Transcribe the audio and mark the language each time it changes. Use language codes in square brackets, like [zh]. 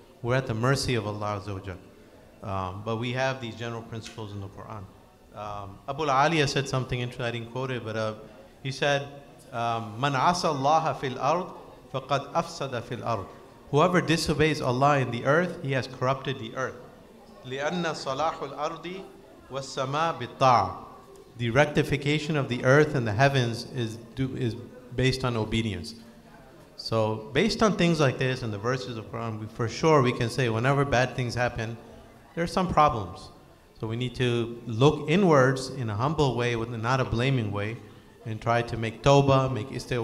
[en] We're at the mercy of Allah Azza wa Jalla. But we have these general principles in the Quran. Abu Ali said something interesting, I didn't quote it, but he said, [ar] "Man asa Allah fil ard, faqad afsada fil ard." [en] Whoever disobeys Allah in the earth, he has corrupted the earth. [ar] لأن صلاح الأرض والسماء بالطاعة. [en] The rectification of the earth and the heavens is based on obedience. So, based on things like this and the verses of Quran, for sure we can say whenever bad things happen, there are some problems. So we need to look inwards in a humble way, not a blaming way, and try to make tawbah, make istighfar.